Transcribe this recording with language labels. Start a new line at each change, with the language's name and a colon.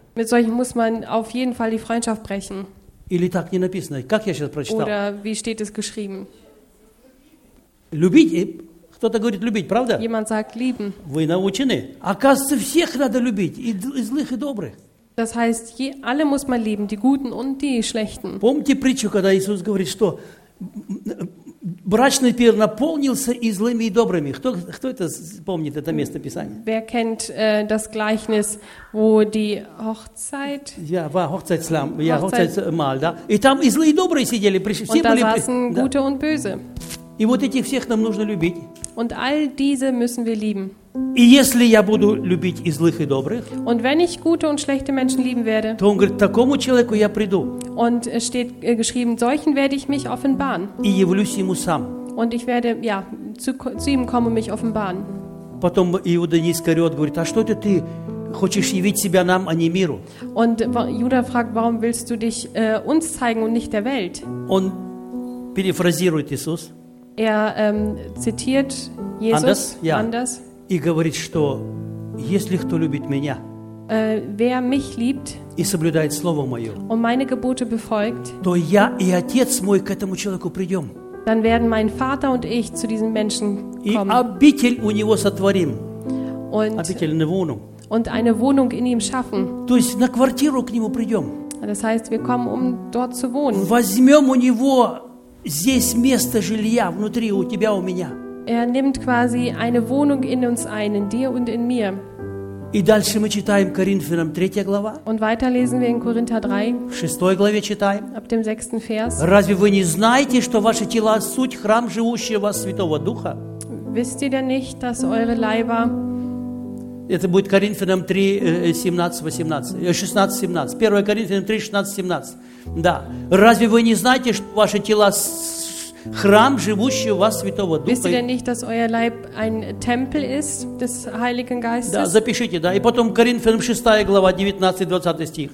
German: Mit solchen muss man auf jeden Fall die Freundschaft brechen.
Russian: Или так не написано. Как я сейчас прочитал?
German: Oder wie steht es geschrieben?
Russian: Любить. Кто-то говорит любить, правда?
German: Jemand sagt lieben.
Russian: Вы научены. Оказывается, всех надо любить, и злых, и добрых.
German: Das heißt, alle muss man lieben, die Guten und die Schlechten.
Russian: Помните притчу, когда Иисус говорит, что брачный пир наполнился и злыми, и добрыми. Кто это помнит, это место Писания?
German: Wer kennt das Gleichnis, wo die Hochzeit... Ja, war Hochzeitslamm, ja, Hochzeitsmahl, да.
Russian: И там и злые, и добрые сидели. Все und были, da saßen да.
German: Gute und Böse.
Russian: И вот этих всех нам нужно любить.
German: Und all diese müssen wir lieben.
Russian: И если я буду любить и злых, и добрых,
German: und wenn ich gute und schlechte Menschen lieben werde,
Russian: то он говорит, такому человеку я приду.
German: Und es steht geschrieben, solchen werde ich mich offenbaren.
Russian: И явлюсь ему сам.
German: Und ich werde, ja, zu ihm kommen und mich offenbaren.
Russian: Потом Иуда Искариот говорит, а что это ты хочешь явить себя нам, а не миру?
German: Und Judas fragt, warum willst du dich uns zeigen und nicht der Welt?
Russian: Он перефразирует Иисус.
German: Er zitiert Jesus anders, ja, anders.
Russian: И говорит, что если кто любит меня,
German: wer mich liebt,
Russian: и соблюдает слово мое,
German: und meine Gebote befolgt,
Russian: то я и отец мой к этому человеку придем.
German: Dann werden mein Vater und ich zu diesem Menschen kommen.
Russian: И обитель у него сотворим.
German: Und, обительную Wohnung. Und eine Wohnung in ihm schaffen.
Russian: То есть на квартиру к нему придем.
German: Das heißt, wir kommen, um dort zu wohnen.
Russian: Возьмем у него здесь место жилья внутри у тебя, у меня.
German: Er nimmt quasi eine Wohnung in uns ein, in dir und in mir.
Russian: И дальше мы читаем Коринфянам 3 глава.
German: Und weiter lesen wir in Korinther 3.
Russian: В 6 главе читаем.
German: Ab dem 6. Vers.
Russian: Разве вы не знаете, что ваши тела – суть храм живущего вас Святого Духа?
German: Wisst ihr denn nicht, dass eure Leiber...
Russian: Это будет Коринфянам 3, 17, 18. 16, 17. 1 Коринфянам 3, 16, 17. Да. Разве вы не знаете, что ваше тело храм, живущий у вас Святого Духа?
German: Wisst ihr denn nicht, dass euer Leib ein Tempel ist des Heiligen Geistes?
Russian: Да, запишите, да. И потом Коринфянам 6 глава, 19, 20 стих.